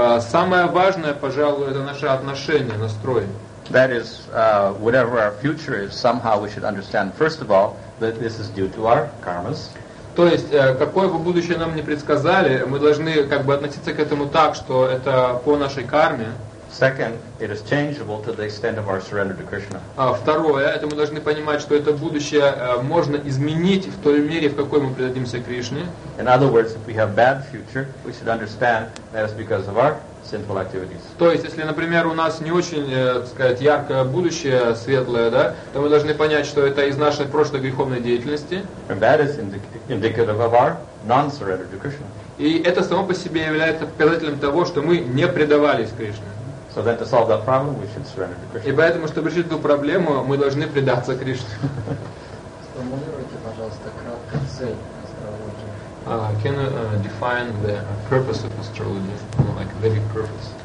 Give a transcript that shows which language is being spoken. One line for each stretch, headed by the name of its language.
Russian: Самое важное, пожалуй, это наше отношение, настрой.
English: That is, whatever our future is, somehow we should understand, first of all, that this is due to our karmas.
Russian: То есть, какое бы будущее нам ни предсказали, мы должны как бы относиться к этому так, что это по нашей карме.
English: Second, it is changeable to the extent of our surrender to Krishna.
Russian: Второе, это мы должны понимать, что это будущее можно изменить в той мере, в какой мы предадимся Кришне.
English: In other words, if we have bad future, we should understand that is because of our sinful activities.
Russian: То есть, если, например, у нас не очень, так сказать, яркое будущее, светлое, да, то мы должны понять, что это из нашей прошлой греховной деятельности.
English: And that is indicative of our non-surrender to Krishna.
Russian: И это само по себе является показателем того, что мы не предавались Кришне.
English: So then to solve that problem, we should surrender to Krishna.
Russian: И поэтому, чтобы решить эту проблему, мы должны предаться Кришне. Сформулируйте, пожалуйста, кратко цель астрологии.
English: Can you define the purpose of astrology, like Vedic purpose?